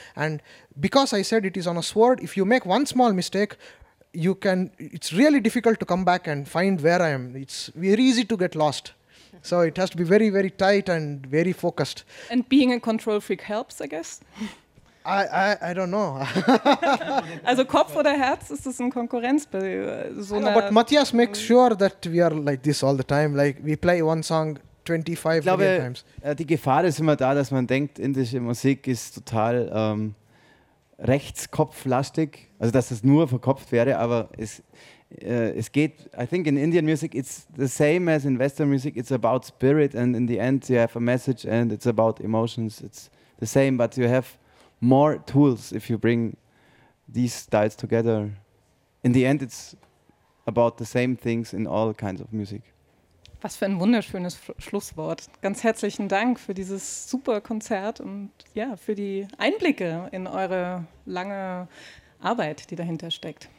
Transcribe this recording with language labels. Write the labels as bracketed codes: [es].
[en] And because I said it is on a sword, if you make one small mistake, it's really difficult to come back and find where I am. It's very easy to get lost. So it has to be very, very tight and very focused. And being a control freak helps, I guess? I don't know. [de] Also Kopf oder Herz, ist das ein Konkurrenz? [en] But Matthias makes sure that we are like this all the time. Like we play one song 25 million times. [de] Ich glaube, die Gefahr ist immer da, dass man denkt, indische Musik ist total rechtskopflastig. Also dass das nur verkopft wäre, aber es geht, [en] I think in Indian music it's the same as in Western music, it's about spirit and in the end you have a message and it's about emotions, it's the same, but you have more tools if you bring these styles together. In the end it's about the same things in all kinds of music. [de] Was für ein wunderschönes Schlusswort. Ganz herzlichen Dank für dieses super Konzert und ja, für die Einblicke in eure lange Arbeit, die dahinter steckt.